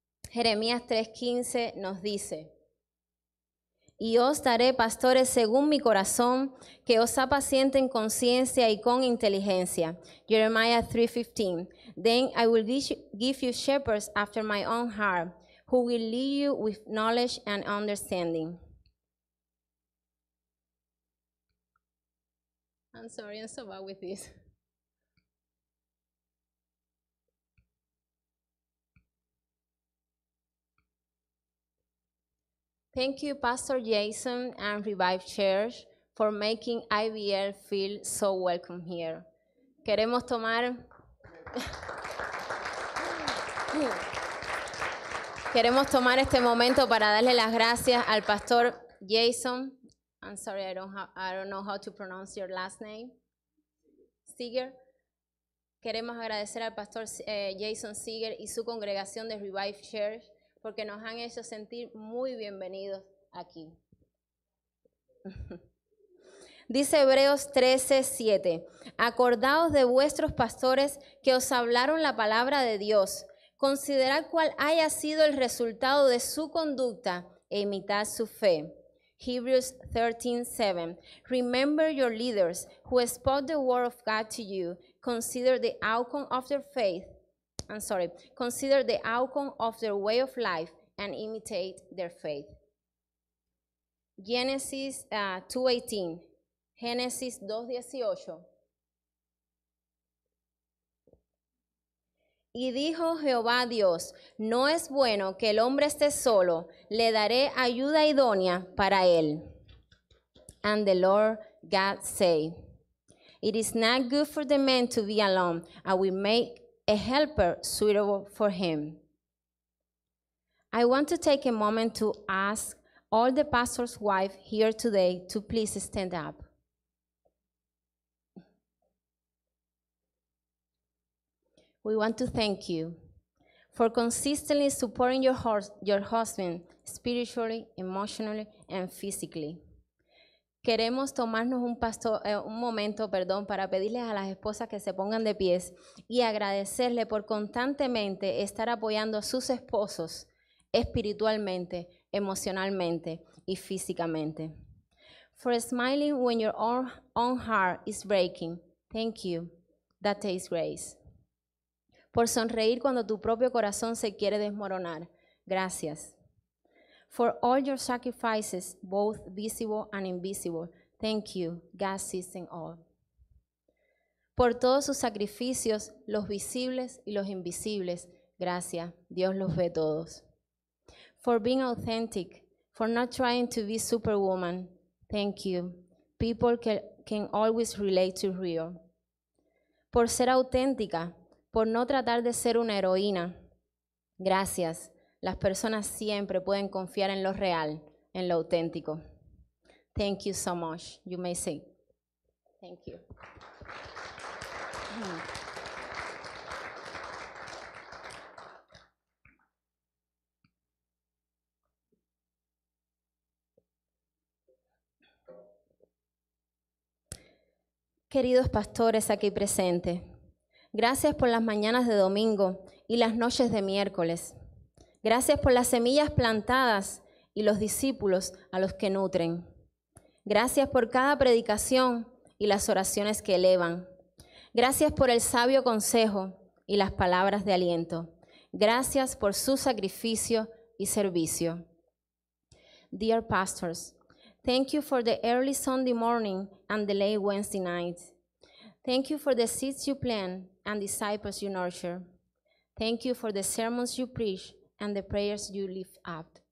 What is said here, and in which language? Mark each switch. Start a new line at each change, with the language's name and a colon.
Spanish: Jeremías 3:15 nos dice, y os daré pastores según mi corazón, que os apacienten con ciencia y con inteligencia.
English: Jeremiah 3:15. Then I will give you shepherds after my own heart, who will lead you with knowledge and understanding. I'm sorry, I'm so bad with this. Thank you, Pastor Jason and Revive Church, for making IBL feel so welcome here.
Spanish: Queremos tomar... Queremos tomar este momento para darle las gracias al Pastor Jason.
English: I'm sorry, I don't know how to pronounce your last name. Seeger.
Spanish: Queremos agradecer al Pastor Jason Seeger y su congregación de Revive Church porque nos han hecho sentir muy bienvenidos aquí. Dice Hebreos 13:7. Acordaos de vuestros pastores que os hablaron la palabra de Dios. Considerad cuál haya sido el resultado de su conducta e imitad su fe.
English: Hebrews 13:7. Remember your leaders who spoke the word of God to you. Consider the outcome of their faith. I'm sorry. Consider the outcome of their way of life and imitate their faith. Genesis 2:18. Génesis 2:18.
Spanish: Y dijo Jehová Dios, no es bueno que el hombre esté solo, le daré ayuda idónea para él.
English: And the Lord God said, it is not good for the man to be alone, I will make a helper suitable for him. I want to take a moment to ask all the pastor's wives here today to please stand up. We want to thank you for consistently supporting your husband spiritually, emotionally, and physically.
Spanish: Queremos tomarnos un pastor, un momento, perdón, para pedirles a las esposas que se pongan de pies y agradecerle por constantemente estar apoyando a sus esposos espiritualmente, emocionalmente y físicamente.
English: For smiling when your own heart is breaking. Thank you. That takes grace.
Spanish: Por sonreír cuando tu propio corazón se quiere desmoronar. Gracias.
English: For all your sacrifices, both visible and invisible. Thank you. God sees them all.
Spanish: Por todos sus sacrificios, los visibles y los invisibles. Gracias. Dios los ve todos.
English: For being authentic, for not trying to be superwoman. Thank you. People can always relate to real.
Spanish: Por ser auténtica, por no tratar de ser una heroína. Gracias. Las personas siempre pueden confiar en lo real, en lo auténtico.
English: Thank you so much. You may say. Thank you.
Spanish: Queridos pastores aquí presentes, gracias por las mañanas de domingo y las noches de miércoles. Gracias por las semillas plantadas y los discípulos a los que nutren. Gracias por cada predicación y las oraciones que elevan. Gracias por el sabio consejo y las palabras de aliento. Gracias por su sacrificio y servicio.
English: Dear pastors, thank you for the early Sunday morning and the late Wednesday night. Thank you for the seeds you plant and disciples you nurture. Thank you for the sermons you preach and the prayers you lift up.